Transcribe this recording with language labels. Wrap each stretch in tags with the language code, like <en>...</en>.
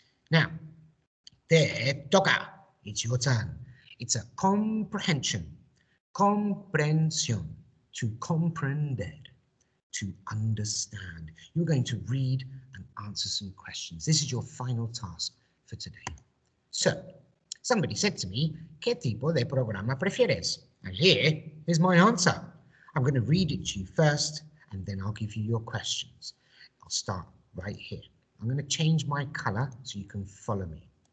<en>Now,</en> <es>te toca,</es> <en>it's your turn. It's a comprehension,</en> <es>comprensión,</es> <en>to comprender, to understand. You're going to read and answer some questions. This is your final task for today. So, somebody said to me,</en> <es>¿qué tipo de programa prefieres?</es> <en>And here is my answer. I'm going to read it to you first, and then I'll give you your questions. I'll start right here. I'm going to change my color so you can follow me.</en>